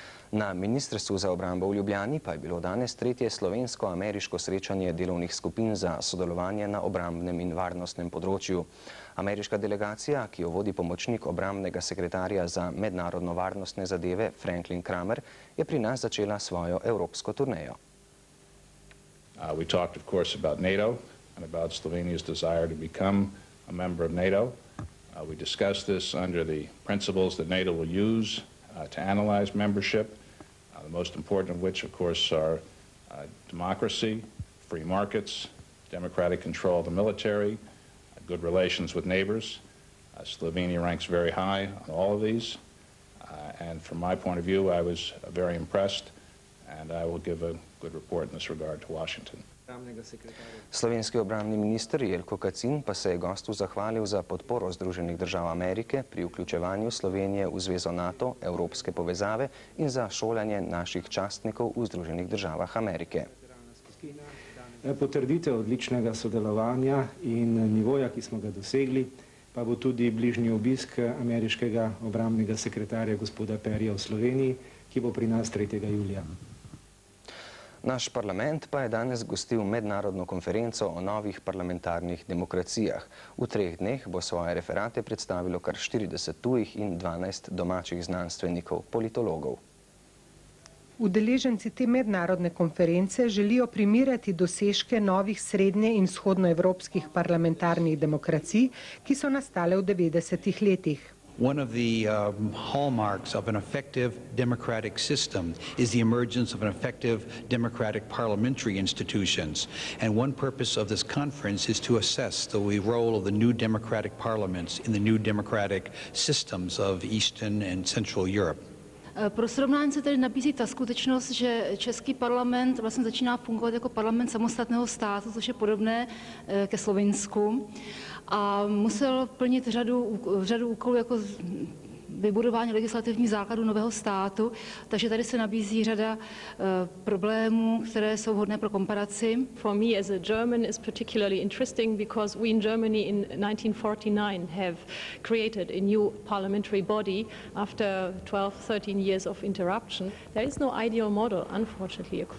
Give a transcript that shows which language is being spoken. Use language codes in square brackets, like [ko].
[sl] Na ministrstvu za obrambo v Ljubljani pa je bilo danes 3. slovensko-ameriško srečanje delovnih skupin za sodelovanje na obrambnem in varnostnem področju. Ameriška delegacija, ki jo vodi pomočnik obrambnega sekretarja za mednarodno varnostne zadeve Franklin Kramer, je pri nas začela svojo evropsko turnejo. [en] We talked of course about NATO and about Slovenia's desire to become a member of NATO. We discussed this under the principles that NATO will use to analyze membership, the most important of which of course are democracy, free markets, democratic control of the military, good relations with neighbors. Slovenia ranks very high on all of these. And from my point of view, I was very impressed and I will give a good report in this regard to Washington. [sl] Slovenski obrambni minister Jelko Kacin pa se je gostu zahvalil za podporo Združenih držav Amerike pri vključevanju Slovenije v Zvezo NATO, Evropske povezave in za šolanje naših častnikov v Združenih državah Amerike. Potrditev odličnega sodelovanja in nivoja, ki smo ga dosegli, pa bo tudi bližnji obisk ameriškega obrambnega sekretarja gospoda Perryja v Sloveniji, ki bo pri nas 3. julija. Naš parlament pa je danes gostil mednarodno konferenco o novih parlamentarnih demokracijah. V 3 dneh bo svoje referate predstavilo kar 40 tujih in 12 domačih znanstvenikov, politologov. Udeleženci te mednarodne konference želijo primerjati dosežke novih srednje in vzhodnoevropskih parlamentarnih demokracij, ki so nastale v 90-ih letih. [en] One of the hallmarks of an effective democratic system is the emergence of an effective democratic parliamentary institutions. And one purpose of this conference is to assess the role of the new democratic parliaments in the new democratic systems of Eastern and Central Europe. [cs] Pro srovnání se tedy nabízí ta skutečnost, že český parlament vlastně začíná fungovat jako parlament samostatného státu, což je podobné ke Slovinsku. A musel plnit řadu úkolů jako vybudování legislativních základů nového státu, takže tady se nabízí řada problémů, které jsou vhodné pro komparaci. [en] For me as a German is particularly interesting because we in Germany in 1949 have created a new parliamentary body after 12-13 years of interruption. There is no ideal model, unfortunately.